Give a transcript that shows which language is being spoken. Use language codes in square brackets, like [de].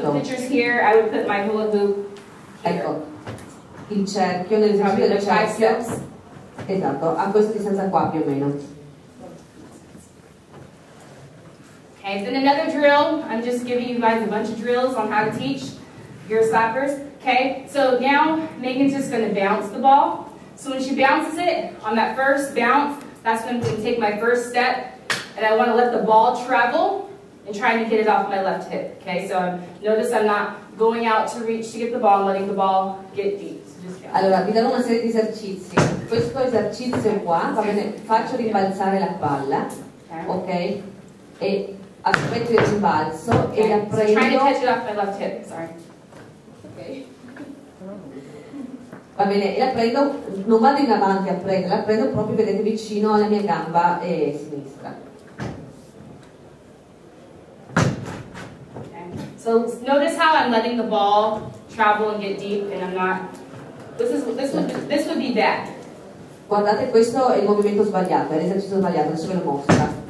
[en] So the picture's here, I would put my hula hoop here. [it] Ecco, il cerchio, nell'esercizio del cerchio. [en] Five steps. [it] Esatto, a questa distanza qua più o meno. [en] Okay, then another drill. I'm just giving you guys a bunch of drills on how to teach your slappers. Okay, so now Megan's just going to bounce the ball. So when she bounces it, on that first bounce, that's when I'm going to take my first step, and I want to let the ball travel and trying to get it off my left hip. Okay, so notice I'm not going out to reach to get the ball, I'm letting the ball get deep. [it] Allora, vi darò una serie di esercizi. Questo esercizio qua, va bene, faccio rimbalzare la palla, ok? E aspetto il rimbalzo e la prendo. [en] Trying to catch it off my left hip, sorry. [it] Va bene, e la prendo, non vado in avanti a prenderla, la prendo proprio, vedete, vicino alla mia gamba sinistra. [en] Okay. So notice how I'm letting the ball travel and get deep and I'm not, this would be that. [it] Guardate, questo è il movimento sbagliato, è l'esercizio sbagliato, adesso ve lo mostra.